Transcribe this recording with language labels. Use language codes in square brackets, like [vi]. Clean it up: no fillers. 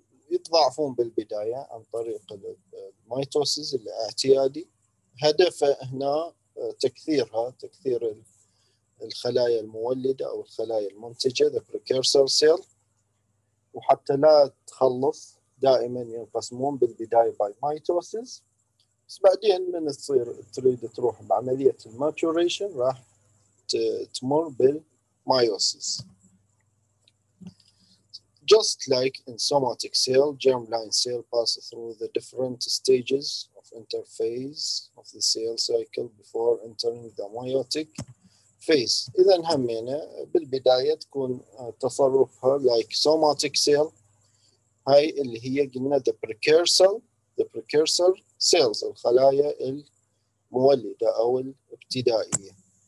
[ar] يتضاعفون بالبداية عن طريق الميتوسيس الاعتيادي, هدفه هنا تكثيرها, تكثير الخلايا المولدة أو الخلايا المنتجة [en] the precursor cell, [ar] وحتى لا تخلص دائما ينقسمون بالبداية [en] by mitosis, [ar] بس بعدين من تصير تريد تروح بعملية الماتوريشن راح تمر بالميوسيس. [en] Just like in somatic cell, germline cell passes through the different stages of interphase of the cell cycle before entering the meiotic phase. [ar] إذا همينة بالبداية تكون تصرفها [en] like somatic cell, [ar] هاي اللي هي قلنا [en] the precursor cells, [ar] الخلايا المولدة أو الابتدائية.